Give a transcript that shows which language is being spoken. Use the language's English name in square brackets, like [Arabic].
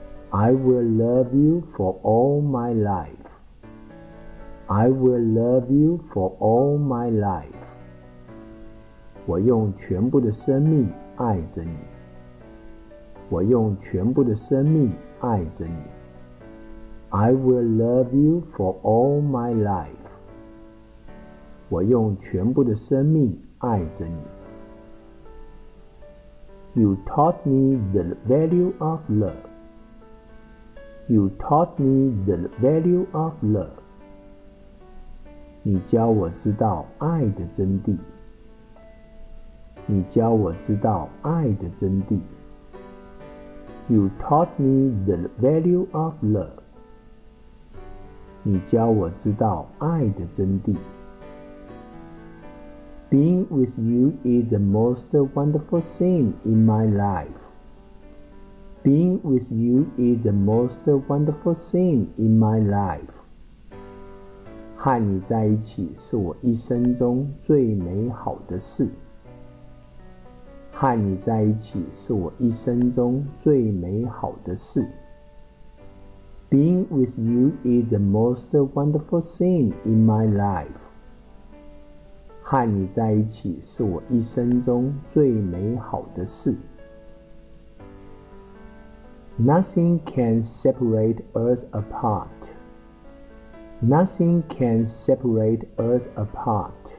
[English] I will love you for all my life. I will love you for all my life. [Chinese] 我用全部的生命爱着你。我用全部的生命爱着你。 [English] I will love you for all my life. [Chinese] 我用全部的生命爱着你。 [English] You taught me the value of love. You taught me the value of love. [Chinese] 你教我知道爱的真谛。你教我知道爱的真谛。 [English] You taught me the value of love. [Chinese] 你教我知道爱的真谛。 [English] Being with you is the most wonderful thing in my life. Being with you is the most wonderful thing in my life. [Chinese] 和你在一起是我一生中最美好的事。和你在一起是我一生中最美好的事。 [English] Being with you is the most wonderful thing in my life. [Chinese] 和你在一起是我一生中最美好的事。 [English] Nothing can separate us apart. Nothing can separate us apart.